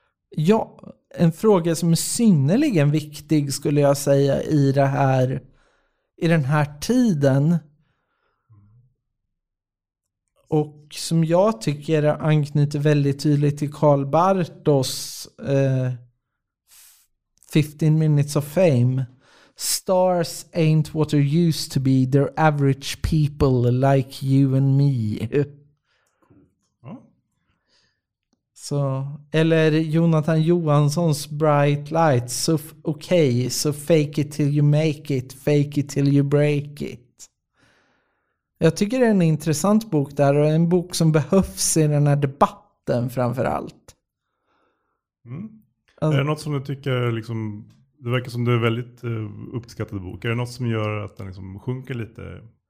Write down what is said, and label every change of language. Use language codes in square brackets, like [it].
[sv] Ja, en fråga som är synnerligen viktig skulle jag säga i den här tiden. Och som jag tycker anknyter väldigt tydligt till Karl Barthos 15 minutes of fame. [en] Stars ain't what they used to be. They're average people like you and me. [sv] Ja. Så, eller Jonathan Johanssons Bright Lights. [en] So, okay, so fake it till you make it. Fake it till you break it. [sv] Jag tycker det är en intressant bok där. Och en bok som behövs i den här debatten framför allt. Mm. Alltså, är det något som du tycker liksom, det verkar som du är väldigt uppskattad bok. Är det något som gör att den liksom sjunker lite?